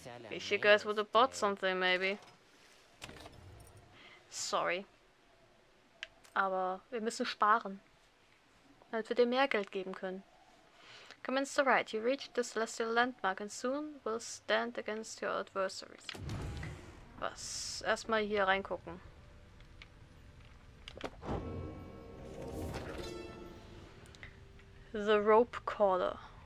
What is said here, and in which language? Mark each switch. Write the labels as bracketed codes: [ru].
[en] If you guys would have bought something, maybe. Sorry. [de] Aber wir müssen sparen, damit wir dir mehr Geld geben können. [en] Commence the ride. You reach the celestial landmark and soon will stand against your adversaries. [de] Was? Erstmal hier reingucken. [en] The Rope Caller.